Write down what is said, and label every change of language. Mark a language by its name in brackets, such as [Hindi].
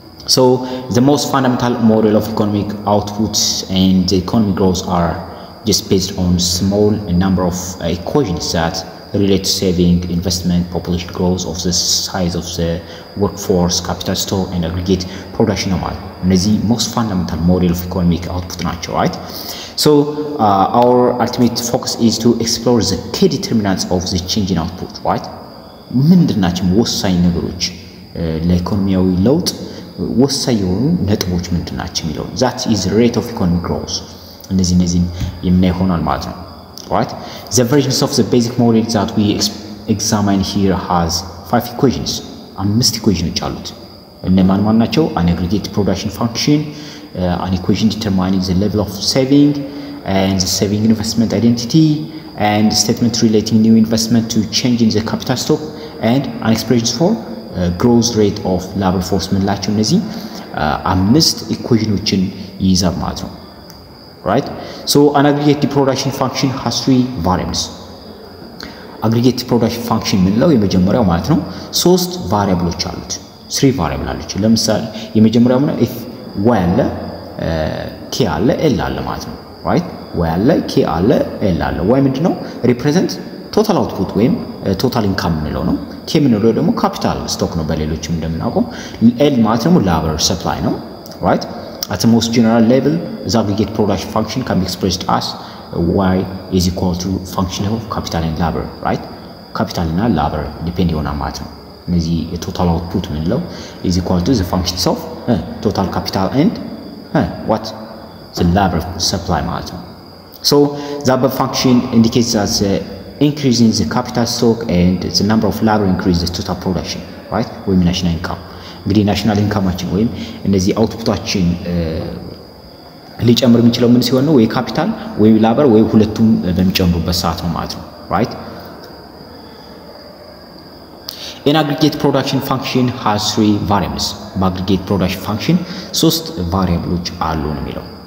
[English] So the most fundamental model of economic outputs and the economic growth are just based on small number of equations that relate to saving, investment, population growth of the size of the workforce, capital store and aggregate production amount. እነዚ most fundamental model of economic output ናቸው, right? So our ultimate focus is to explore the key determinants of the change in output, right? [Amharic] ምንድናቸው ወሳኝ ነገሮች ለኢኮኖሚያዊ ለውጥ ወሳኝ የሆኑ ነጥቦች ምንድናቸው የሚለው [English] that is rate of economic growth. [Amharic] እነዚህን የምናይ ሆናል ማለት ነው. [English] Right, the versions of the basic model that we examine here has five equations. [Amharic] አምስት equations አሉት እነማን ማን ናቸው? [English] An aggregate production function, an equation determining the level of saving and the saving investment identity, and statement relating new investment to change in the capital stock, and an expression for growth rate of labor force. [Amharic] ምንላቸው እነዚህ አምስት equationዎችን ይይዛል ማለት ነው. [English] Right, so an aggregate production function has three variables. [Amharic] Aggregate production function ምንለው የመጀመሪያው ማለት ነው ሶስት ቫሪያብሎች አሉት three variables አሉት ለምሳሌ የመጀመሪያው ምንለው if y አለ k አለ l አለ ማለት ነው. Right, y አለ k አለ l አለ y ምንድነው represent total output ወይም total income ምንለው ነው k ምንለው ደግሞ capital stock ነው በሌሎችም እንደምናውቀው l ማለት ደግሞ labor supply ነው. [English] Right, at the most general level the aggregate production function can be expressed as y is equal to function of capital and labor. Right, capital and labor depend on amount. [Amharic] እነዚህ የቶታል አውትፑት ምንለው [English] is equal to the function of total capital and what the labor supply margin. So the above function indicates that the increase in the capital stock and the number of labor increases total production, right? ወይም national income. [Amharic] እንግዲህ national income ወይም እነዚህ አውትፑታችን ሊጨምር የሚችለው ምን ሲሆን ነው? ወይ ካፒታል ወይ ላበር ወይ ሁለቱም በሚጨምሩበት ሰዓት ነው ማለት ነው, right? [English] In aggregate production function has three variables. Aggregate production function ሶስት variables አሉ ነው የሚለው.